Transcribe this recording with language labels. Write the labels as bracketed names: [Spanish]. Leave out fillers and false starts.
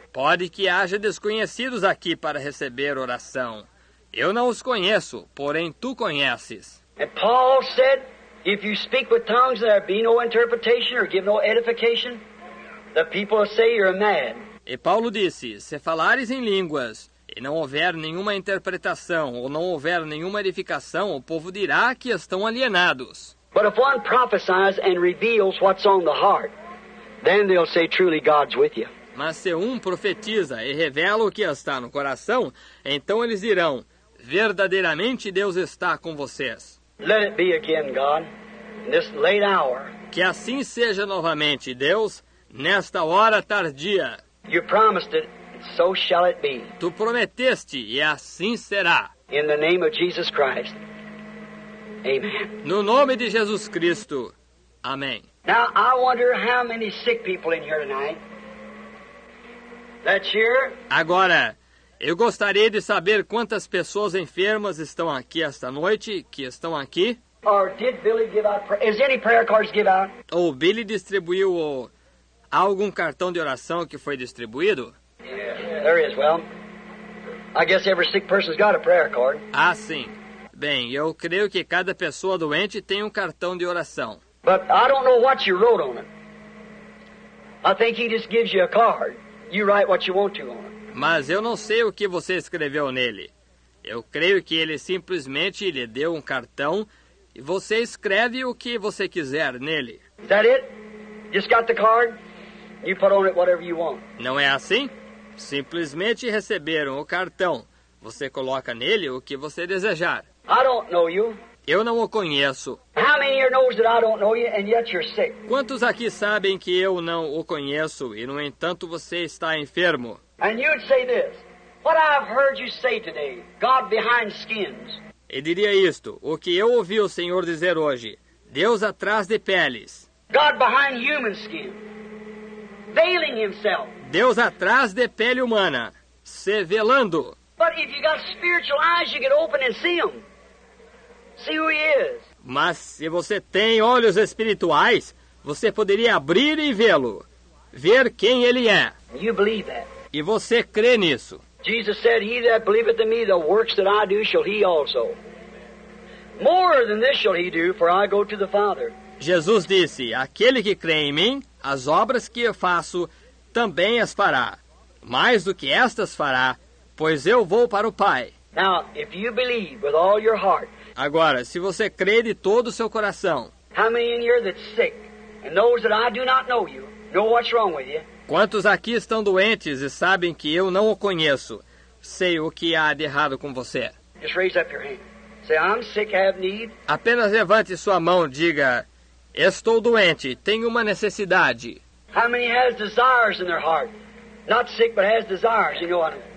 [Portuguese] Pode que haja desconhecidos aqui para receber oração. Eu não os conheço, porém tu conheces. [English] And Paul said, if you speak with tongues and there be no interpretation or give no edification, the people will say you're mad. [Portuguese] E Paulo disse, se falares em línguas e não houver nenhuma interpretação ou não houver nenhuma edificação, o povo dirá que estão alienados. [English] But if one prophesies and reveals what's on the heart, then they'll say truly God's with you. [Portuguese] Mas se um profetiza e revela o que está no coração, então eles dirão, verdadeiramente Deus está com vocês. [English] Let it be again, God, in this late hour. [Portuguese] Que assim seja novamente, Deus, nesta hora tardia. [English] You promised it, so shall it be. [Portuguese] Tu prometeste, e assim será. [English] In the name of Jesus Christ. Amen. [Portuguese] No nome de Jesus Cristo. Amém. [English] Now, I wonder how many sick people in here tonight. That's here. [Portuguese] Agora, eu gostaria de saber quantas pessoas enfermas estão aqui esta noite, que estão aqui. [English] Or did Billy give out is any prayer cards give out? [Portuguese] Ou Billy distribuiu algum cartão de oração que foi distribuído? [English] Yeah, there is. Well, I guess every sick person's got a prayer card. [Portuguese] Ah, sim. Bem, eu creio que cada pessoa doente tem um cartão de oração. [English] But I don't know what you wrote on it. I think he just gives you a card. You write what you want to on it. [Portuguese] Mas eu não sei o que você escreveu nele. Eu creio que ele simplesmente lhe deu um cartão e você escreve o que você quiser nele. [English] Is that it? Just got the card? You put on it whatever you want. [Portuguese] Não é assim? Simplesmente receberam o cartão. Você coloca nele o que você desejar. [English] I don't know you. [Portuguese] Eu não o conheço. [English] How many here knows that I don't know you and yet you're sick? [Portuguese] Quantos aqui sabem que eu não o conheço e no entanto você está enfermo? [English] And you'd say this, what I've heard you say today, God behind skins. [Portuguese] E diria isto, o que eu ouvi o Senhor dizer hoje, Deus atrás de peles. [English] God behind human skin, veiling himself. [Portuguese] Deus atrás de pele humana, se velando. [English] But if you got spiritual eyes, you could open and see him. See who he is. [Portuguese] Mas se você tem olhos espirituais, você poderia abrir e vê-lo, ver quem ele é. [English] You believe that. [Portuguese] E você crê nisso? [English] Jesus said, he that believeth in me, the works that I do shall he also. More than this shall he do, for I go to the Father. [Portuguese] Jesus disse, aquele que crê em mim, as obras que eu faço, também as fará. Mais do que estas fará, pois eu vou para o Pai. [English] Now, if you believe with all your heart. [Portuguese] Agora, se você crê de todo o seu coração. [English] How many in here that's sick and knows that I do not know you, know what's wrong with you? [Portuguese] Quantos aqui estão doentes e sabem que eu não o conheço, sei o que há de errado com você? [English] Just raise up your hand. Say, I'm sick, I have need. [Portuguese] Apenas levante sua mão, diga, estou doente, tenho uma necessidade. [English] How many has desires in their heart? Not sick, but has desires, you know what I mean?